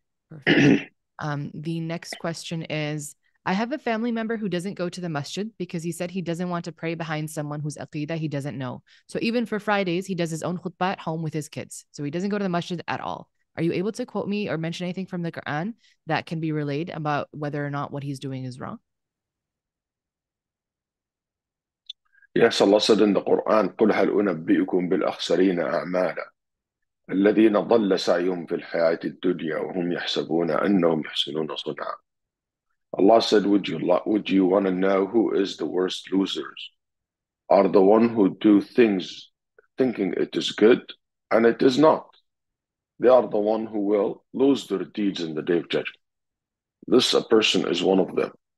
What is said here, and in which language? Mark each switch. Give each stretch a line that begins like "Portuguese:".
English: The next question is, I have a family member who doesn't go to the masjid because he said he doesn't want to pray behind someone whose aqidah he doesn't know. So even for Fridays, he does his own khutbah at home with his kids. So he doesn't go to the masjid at all. Are you able to quote me or mention anything from the Quran that can be relayed about whether or not what he's doing is wrong? Yes, Allah said in the Quran,
Arabic: قُلْ هَلْ أُنَبِّئُكُمْ بِالْأَخْسَرِينَ أَعْمَالًا الَّذِينَ ضَلَّ سَعْيُمْ فِي الْحَيَاةِ الدُّنْيَا وَهُمْ يَحْسَبُونَ أَنَّهُمْ يُحْسِنُونَ صُنْعًا.
English: Allah said, would you want to know who is the worst losers? Are the one who do things thinking it is good and it is not. They are the one who will lose their deeds in the Day of Judgment. This a person is one of them.